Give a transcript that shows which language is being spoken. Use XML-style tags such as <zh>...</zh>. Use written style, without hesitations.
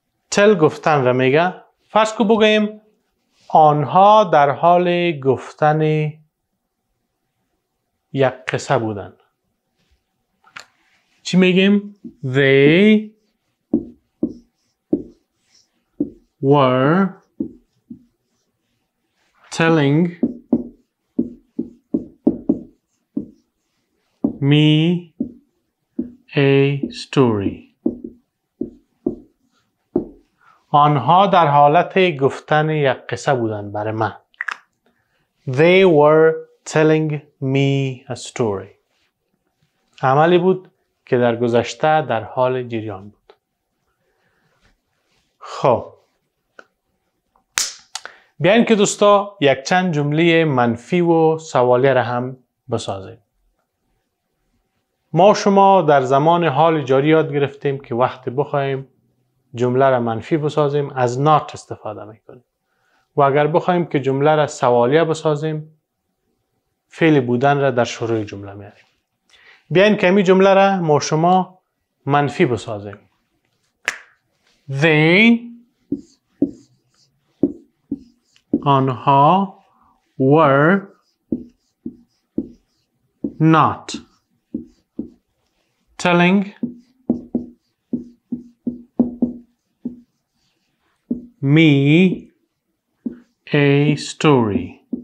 <fa>تل گفتن را میگه. فرض کو بگیم آنها در حال گفتن یک قصه بودن. چی میگیم؟</fa> <en>They were telling me a story.</en> <fa>آنها در حالت گفتن یک قصه بودن برای من.</fa> <en>They were telling me a story.</en> <fa>عملی بود که در گذشته در حال جریان بود. خب بیاین که دوستا یک چند جمله منفی و سوالیه را هم بسازیم. ما شما در زمان حال جاری یاد گرفتیم که وقت بخوایم جمله را منفی بسازیم از not استفاده میکنیم. و اگر بخوایم که جمله را سوالیه بسازیم فعل بودن را در شروع جمله میاریم. بیاین که این جمله را ما شما منفی بسازیم.</fa> <en>They آنها were not telling me a story.</en>